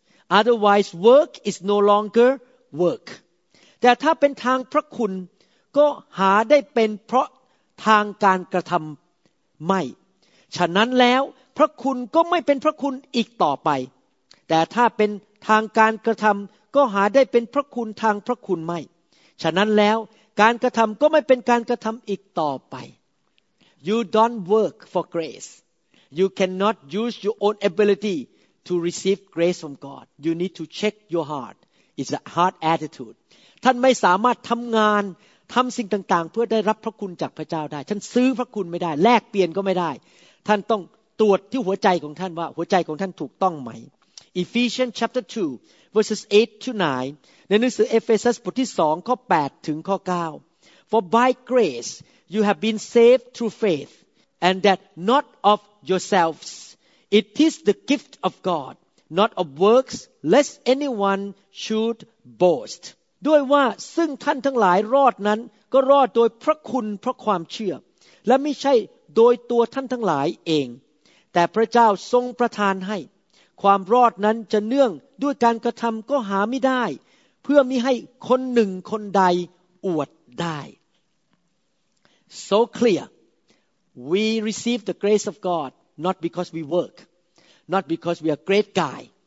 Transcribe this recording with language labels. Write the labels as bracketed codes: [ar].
[en] Otherwise, work is no longer work. [th] แต่ถ้าเป็นทางพระคุณก็หาได้เป็นเพราะทางการกระทำไม่ฉะนั้นแล้วพระคุณก็ไม่เป็นพระคุณอีกต่อไปแต่ถ้าเป็นทางการกระทำก็หาได้เป็นพระคุณทางพระคุณไม่ฉะนั้นแล้วการกระทำก็ไม่เป็นการกระทำอีกต่อไป [en] You don't work for grace. You cannot use your own ability to receive grace from God. You need to check your heart. It's a hard attitude. [th] ท่านไม่สามารถทำงานทำสิ่งต่างๆเพื่อได้รับพระคุณจากพระเจ้าได้ท่านซื้อพระคุณไม่ได้แลกเปลี่ยนก็ไม่ได้ท่านต้องตรวจที่หัวใจของท่านว่าหัวใจของท่านถูกต้องไหม [en] Ephesians chapter 2 verses 8 to 9 [th] ในหนังสือเอเฟซัสบทที่2ข้อ8ถึงข้อ9 [en] For by graceYou have been saved through faith, and that not of yourselves. It is the gift of God, not of works, lest anyone should boast. [th] ด้วยว่าซึ่งท่านทั้งหลายรอดนั้นก็รอดโดยพระคุณเพราะความเชื่อและไม่ใช่โดยตัวท่านทั้งหลายเองแต่พระเจ้าทรงประทานให้ความรอดนั้นจะเนื่องด้วยการกระทำก็หาไม่ได้เพื่อมิให้คนหนึ่งคนใดอวดได้ [en] So clear, we receive the grace of God not because we work, not because we are a great guy.